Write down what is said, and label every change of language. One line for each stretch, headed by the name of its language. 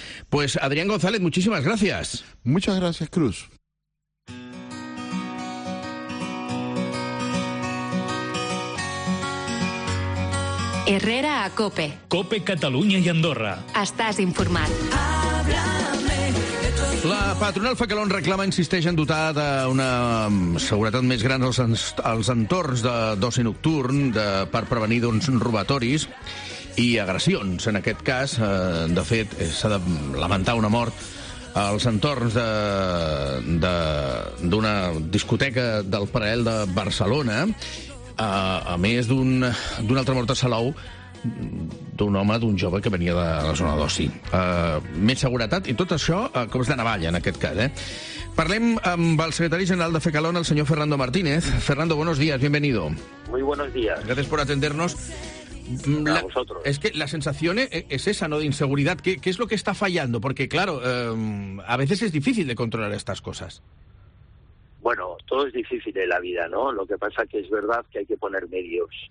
Spanish: Pues Adrián González, muchísimas gracias. Muchas gracias, Cruz. Herrera a COPE. COPE Cataluña y Andorra.
Catalan: Estàs informat.
Spanish: Háblame de tu
Catalan: La patronal Fecalón reclama, insisteix, en dotar d'una seguretat més gran als entorns d'oci nocturn per prevenir d'uns robatoris i agressions. En aquest cas, de fet, s'ha de lamentar una mort als entorns d'una discoteca del Parell de Barcelona, a més d'un altre mort a Salou, d'un home, d'un jove que venia de la zona d'oci. Més seguretat i tot això com és de navalla, en aquest cas. Parlem amb el secretari general de Fecalón, el senyor Fernando Martínez.
Spanish: Fernando, buenos días, bienvenido. Muy buenos días. Gracias por atendernos. A vosotros. Es que la sensación es esa, ¿no?, de inseguridad. ¿Qué es lo que está fallando? Porque, claro, a veces es difícil de controlar estas cosas. Bueno, todo es difícil en la vida, ¿no? Lo que pasa que es verdad que hay que poner medios.